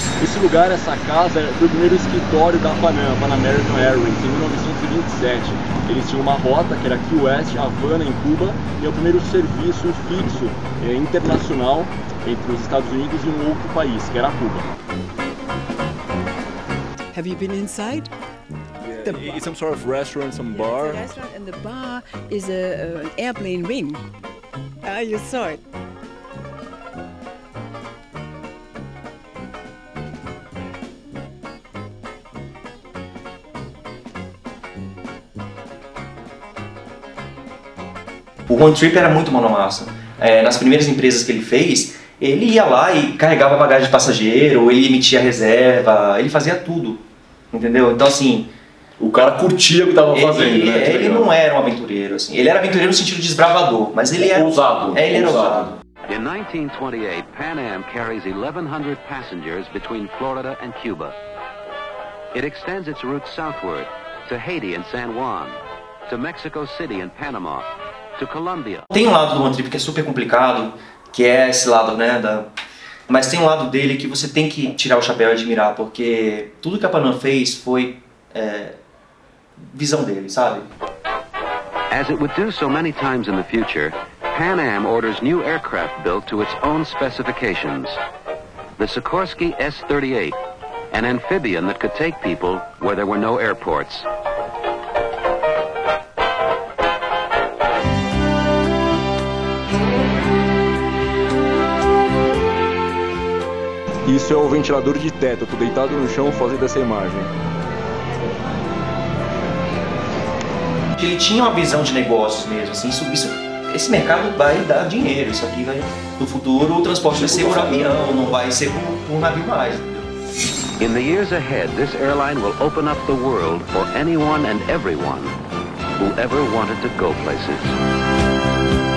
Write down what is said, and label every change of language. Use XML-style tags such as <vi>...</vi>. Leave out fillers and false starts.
<pt>Esse lugar, essa casa, foi o primeiro escritório da Pan Am, Pan American Airways, em 1927. Eles tinham uma rota, que era Key West, Havana, em Cuba, e é o primeiro serviço fixo internacional entre os Estados Unidos e um outro país, que era Cuba.</pt> <en>Have you been inside? It's some sort of restaurant, bar. It's a restaurant, and the bar is an airplane wing. Ah, you saw it.</en> <pt>O One Trip era muito mano massa. Nas primeiras empresas que ele fez, ele ia lá e carregava bagagem de passageiro, ele emitia reserva, ele fazia tudo. Entendeu? Então, assim... O cara curtia o que estava fazendo, né? Ele não era um aventureiro, assim. Ele era aventureiro no sentido de desbravador, mas ele era... Ousado. Ele era ousado.</pt> <en>In 1928, Pan Am carries 1,100 passengers between Florida and Cuba. It extends its route southward, to Haiti and San Juan, to Mexico City and Panama, to Colombia.</en> <pt>Tem um lado do One Trip que é super complicado, que é esse lado, né, da... Mas tem um lado dele que você tem que tirar o chapéu e admirar, porque tudo que a Pan Am fez foi... visão dele, sabe?</pt> <en>As it would do so many times in the future, Pan Am orders new aircraft built to its own specifications. The Sikorsky S-38, an amphibian that could take people where there were no airports.</en> <pt>Isso é o ventilador de teto. Tô deitado no chão fazendo essa imagem. Ele tinha uma visão de negócios mesmo, assim, isso, esse mercado vai dar dinheiro, isso aqui vai, no futuro o transporte vai ser por avião, não vai ser por navio mais.</pt> <en>In the years ahead, this airline will open up the world for anyone and everyone who ever wanted to go places.</en>